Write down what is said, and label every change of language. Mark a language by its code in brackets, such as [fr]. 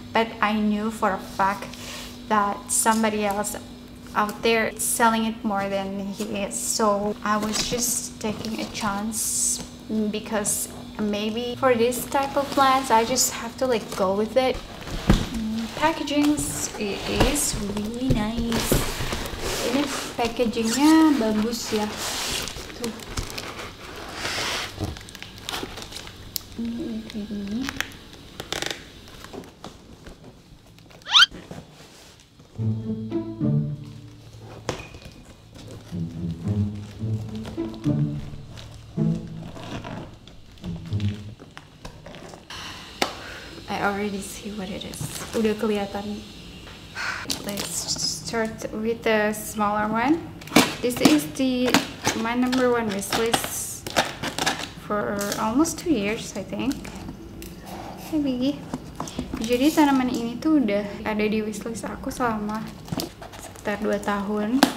[en] But I knew for a fact that somebody else out there selling it more than he is. So I was just taking a chance because maybe for this type of plants, I just have to like go with it. Packaging is really nice. [id] Ini packagingnya bagus ya. Tuh. Ini. [en] I already see what it is. [id] Udah kelihatan. [en] Let's start with the smaller one. This is my number one wish list for almost 2 years, I think. Maybe. [id] Jadi tanaman ini tuh udah ada di wish list aku selama sekitar 2 tahun.